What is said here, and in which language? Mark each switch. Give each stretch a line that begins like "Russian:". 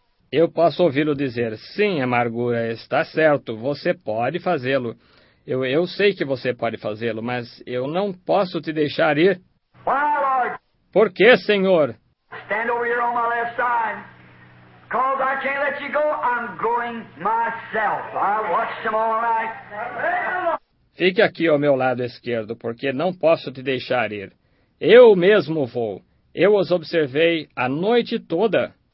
Portuguese: Eu posso ouvi-lo dizer, sim, amargura, está certo, você pode fazê-lo. Eu sei que você pode fazê-lo, mas eu não posso te deixar ir.
English: Why, Lord?
Portuguese: Por que, Senhor?
English: Stand over here on my left side. Because I can't let you go, I'm going myself. I watched them all night.
Portuguese: Fique aqui ao meu lado esquerdo, porque não posso te deixar ir. Eu mesmo vou. Eu os observei a noite toda.